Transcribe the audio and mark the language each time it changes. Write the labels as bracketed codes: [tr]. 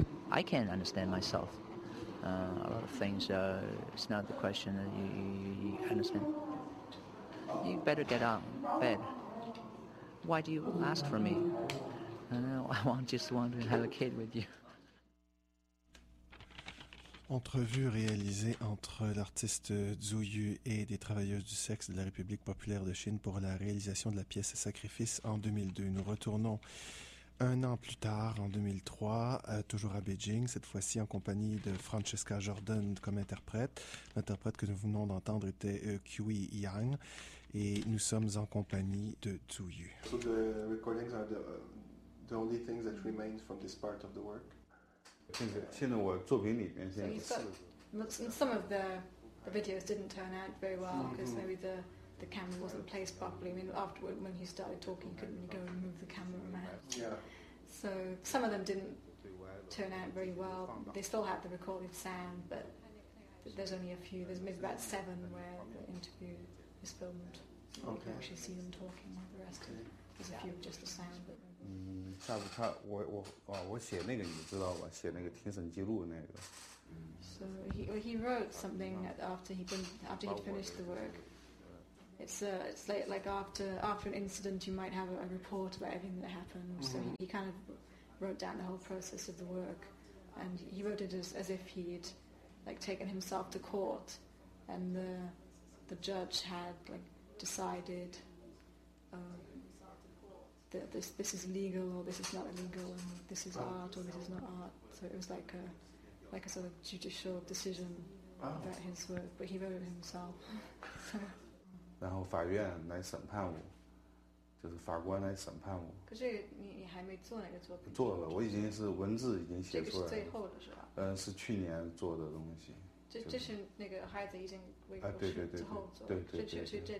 [en] I can't understand myself. A lot of things, it's not the question that you understand. You better get out of bed. Why do you ask for me? I just want to have a kid with you. [fr] Entrevue réalisée entre l'artiste Zhu Yu et des travailleuses du sexe de la République populaire de Chine pour la réalisation de la pièce Sacrifice en 2002. Nous retournons un an plus tard, en 2003, toujours à Beijing, cette fois-ci en compagnie de Francesca Jordan comme interprète. L'interprète que nous venons d'entendre était Qi Yang. Et nous sommes en compagnie de Zhu Yu. [en] So the recordings are the only things that remain from this part of the work. Some of the videos didn't turn out very well because maybe the camera wasn't placed properly. I mean, afterward, when he started talking, you couldn't really go and move the camera around. Yeah. So some of them didn't turn out very well. They still had the recorded sound, but there's only a few. There's maybe about seven where the interview is filmed. Okay. You can actually see them talking. The rest of it. There's a few of just the sound. But [zh] 下次他我写那个你知道吧，写那个庭审记录那个。 [en] So he wrote something after he'd finished the work. It's like after an incident, you might have a report about everything that happened. Mm-hmm. So he kind of wrote down the whole process of the work, and he wrote it as if he'd like taken himself to court, and the judge had like decided that this is legal or this is not illegal, and this is art or this is not art. So it was like a sort of judicial decision about his work, but he wrote it himself. [zh] 然后法院来审判我，就是法官来审判我。可是你还没做那个作品？做了，我已经是文字已经写出来了。这个是最后的是吧？嗯，是去年做的东西。这是那个孩子已经为过去之后做的。对对对对对对。